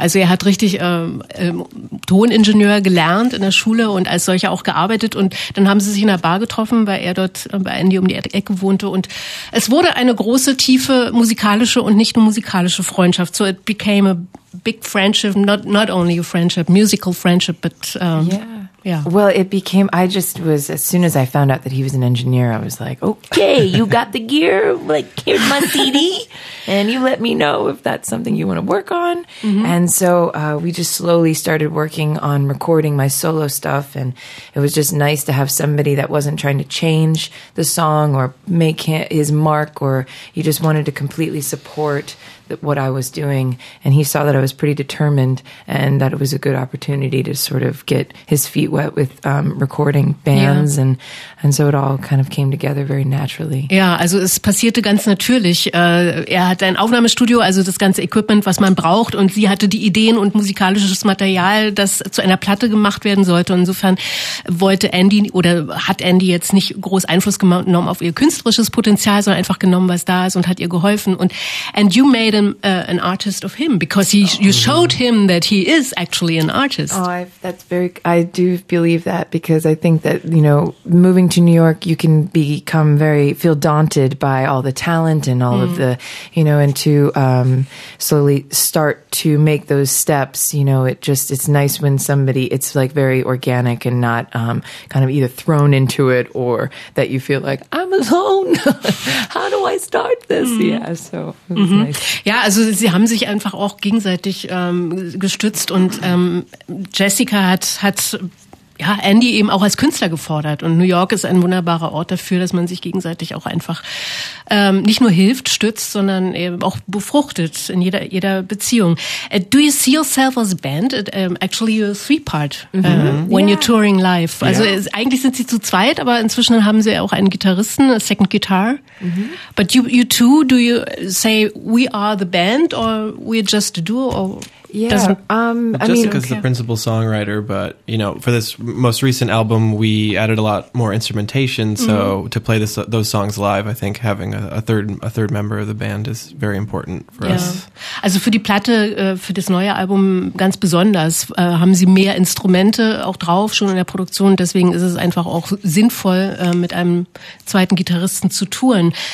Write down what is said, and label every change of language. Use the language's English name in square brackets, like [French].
[German] Also er hat richtig Toningenieur gelernt in der Schule und als solcher auch gearbeitet und dann haben sie sich in der Bar getroffen, weil er dort bei Andy um die Ecke wohnte und es wurde eine große, tiefe musikalische und nicht nur musikalische Freundschaft. [English] So it became a big friendship, not only a friendship, musical friendship, but Well, it became, I just was, as soon as I found out that he was an engineer, I was like, okay, you got the gear, like, here's my CD, and you let me know if that's something you want to work on. Mm-hmm. And so we just slowly started working on recording my solo stuff, and it was just nice to have somebody that wasn't trying to change the song or make his mark, or he just wanted to completely support what I was doing, and he saw that I was pretty determined and that it was a good opportunity to sort of get his feet wet with recording bands. Yeah. And so it all kind of came together very naturally. [German] Ja, also es passierte ganz natürlich. Er hatte ein Aufnahmestudio, also das ganze Equipment, was man braucht, und sie hatte die Ideen und musikalisches Material, das zu einer Platte gemacht werden sollte. Insofern hat Andy jetzt nicht groß Einfluss genommen auf ihr künstlerisches Potenzial, sondern einfach genommen, was da ist und hat ihr geholfen. [English] And you made an artist of him because you showed him that he is actually an artist. Oh, I do believe that because I think that, you know, moving to New York, you can become feel daunted by all the talent and all of the, you know, and to slowly start to make those steps, you know, it's nice when somebody, it's like very organic and not kind of either thrown into it or that you feel like, I'm alone. How do I start this? Mm. Yeah, so it's nice. [German] Ja, also sie haben sich einfach auch gegenseitig gestützt und Jessica hat Andy eben auch als Künstler gefordert und New York ist ein wunderbarer Ort dafür, dass man sich gegenseitig auch einfach nicht nur hilft, stützt, sondern eben auch befruchtet in jeder Beziehung. [English] Do you see yourself as a band? Actually a three-part when you're touring live. Yeah. [German] Also eigentlich sind sie zu zweit, aber inzwischen haben sie auch einen Gitarristen, [English] a second guitar. Mm-hmm. But you two, do you say we are the band or we're just a duo or... Yeah, Jessica's the principal songwriter, but, you know, for this most recent album, we added a lot more instrumentation, so to play those songs live, I think having a third member of the band is very important for us. [German] Also für die Platte, für das neue Album ganz besonders, haben sie mehr Instrumente auch drauf, schon in der Produktion, deswegen ist es einfach auch sinnvoll, mit einem zweiten Gitarristen zu touren.